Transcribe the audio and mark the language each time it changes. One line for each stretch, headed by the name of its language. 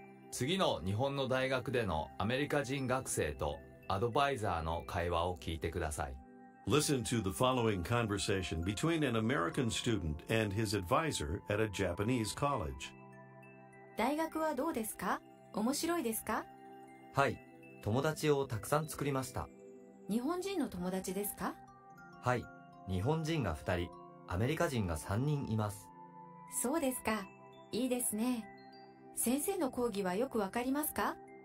Japanese: 次の日本の大学でのアメリカ人学生とアドバイザーの会話を聞いてください。
English: Listen to the following conversation between an American student and his advisor at a Japanese college.
Japanese: 大学はどうですか？面白いですか？はい、友達をたくさん作りました。日本人の友達ですか？はい、日本人が2人、アメリカ人が3人います。そうですか。いいですね。先生の講義はよくわかりますか？